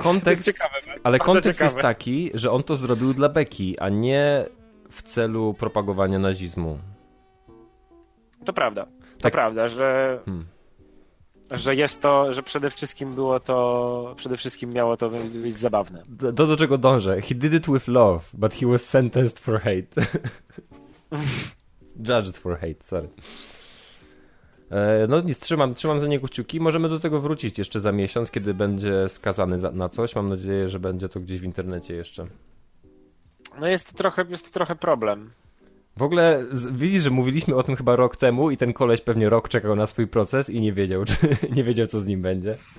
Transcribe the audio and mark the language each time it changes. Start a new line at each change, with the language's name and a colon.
Polish: kontekst, jest, ciekawe, ale kontekst jest taki, że on to zrobił dla beki, a nie w celu propagowania nazizmu. To prawda. Tak. To prawda, że... Hmm. Że jest to, że przede wszystkim było to, przede wszystkim miało to być zabawne. Do czego dążę?
English: He did it with love, but he was sentenced for hate. Judged for hate, sorry.
Polish: No nic, trzymam za niego kciuki. Możemy do tego wrócić jeszcze za miesiąc, kiedy będzie skazany na coś. Mam nadzieję, że będzie to gdzieś w internecie jeszcze. No jest to trochę problem. W ogóle widzisz, że mówiliśmy o tym chyba rok temu i ten koleś pewnie rok czekał na swój proces i nie wiedział, co z nim będzie.